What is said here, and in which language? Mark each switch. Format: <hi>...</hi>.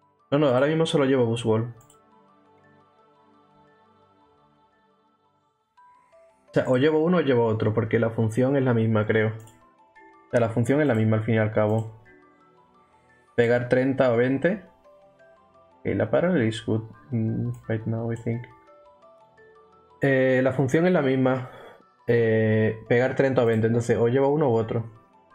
<es>No, no, ahora mismo solo llevo Buzzwole. O sea, o llevo uno o llevo otro, porque la función es la misma, creo. O sea, la función es la misma al fin y al cabo. Pegar 30 o 20.</es> <en>Ok, la parallel is good right now, I think.</en> <es>La función es la misma. Pegar 30 o 20, entonces o llevo uno u otro.</es>